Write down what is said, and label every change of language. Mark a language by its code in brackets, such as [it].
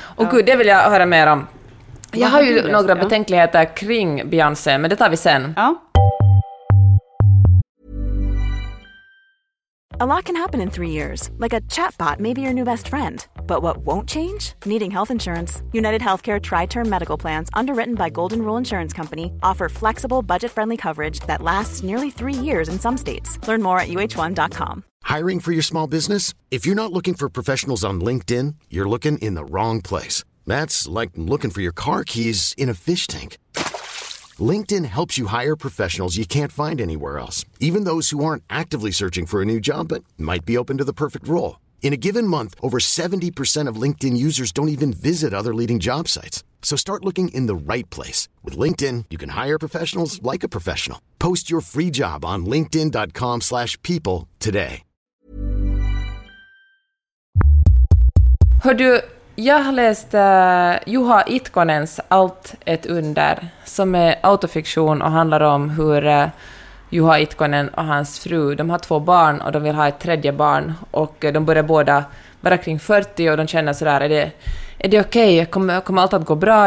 [sv] Gud, det vill jag höra mer om. Jag har ju några betänkligheter kring Beyoncé, men det tar vi sen. Ja. [en] A lot can happen in 3 years, like a chatbot may be your new best friend. But what won't change? Needing health insurance. United Healthcare Tri-Term Medical Plans, underwritten by Golden Rule Insurance Company, offer flexible, budget-friendly coverage that lasts nearly 3 years in some states. Learn more at uh1.com. Hiring for your small business? If you're not looking for professionals on LinkedIn, you're looking in the wrong place. That's like looking for your car keys in a fish tank. LinkedIn helps you hire professionals you can't find anywhere else, even those who aren't actively searching for a new job but might be open to the perfect role. In a given month, over 70% of LinkedIn users don't even visit other leading job sites. So start looking in the right place. With LinkedIn, you can hire professionals like a professional. Post your free job on linkedin.com/people today. [sv] Hör du? Jag har läst Juha Itkonens Allt ett under, som är autofiktion och handlar om hur Juha Itkonen och hans fru, de har två barn och de vill ha ett tredje barn, och de börjar båda vara kring 40 och de känner sådär, är det okej? Okay? Kommer allt att gå bra?